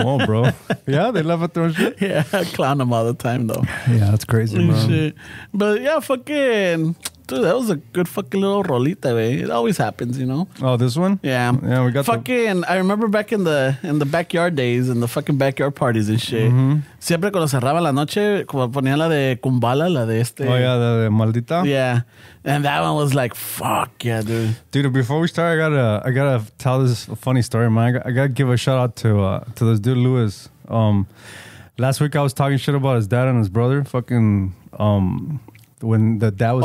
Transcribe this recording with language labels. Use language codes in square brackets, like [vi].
[en] Oh, bro. Yeah, they love it through shit. Yeah, I clown them all the time, though. Yeah, that's crazy, man. Shit. But yeah, fucking... Dude, that was a good fucking little rolita, baby. It always happens, you know? Oh, this one? Yeah. Yeah, we got fucking, I remember back in the backyard days and the fucking backyard parties and shit. Mm-hmm. [es] Siempre cuando cerraba la noche, ponía la de Kumbala, la de este. [en] Oh, yeah, the Maldita? Yeah. And that one was like, fuck yeah, dude. Dude, before we start, I gotta tell this funny story, man. I gotta give a shout out to this dude, Lewis. Last week I was talking shit about his dad and his brother. Fucking, when the dad was